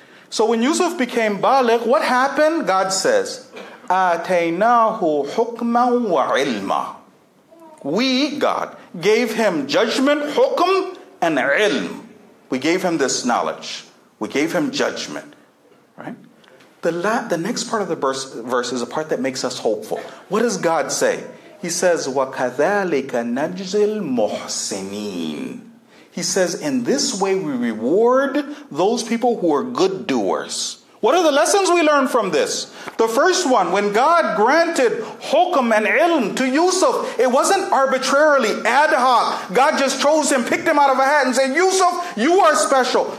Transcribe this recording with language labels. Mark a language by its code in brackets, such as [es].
[en] So when Yusuf became baligh, what happened? God says, [ar] "Ataynahu hukman wa ilma." [en] We, God, gave him judgment, hukm, and ilm. We gave him this knowledge. We gave him judgment. Right? The next part of the verse is a part that makes us hopeful. What does God say? He says, [ar] وَكَذَلِكَ نَجْزِ الْمُحْسِنِينَ. [en] He says, in this way we reward those people who are good doers. What are the lessons we learn from this? The first one, when God granted hukm and ilm to Yusuf, it wasn't arbitrarily, ad hoc. God just chose him, picked him out of a hat and said, Yusuf, you are special.